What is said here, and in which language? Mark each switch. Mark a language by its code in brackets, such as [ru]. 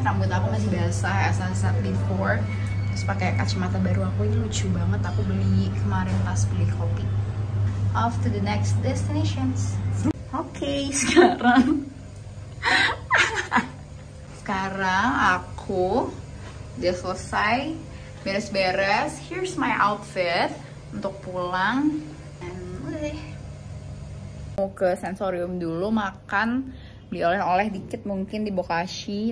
[id] Rambut aku masih basah [en] as I said before. [id] Terus pakai kacamata baru aku ini lucu banget. Aku beli kemarin pas beli kopi. [en] Off to the next destinations. [id] Okay, sekarang aku udah selesai. Beres-beres, [en] here's my outfit [id] untuk pulang. And mau ke sensorium dulu makan, beli oleh-oleh dikit mungkin di Bokashi.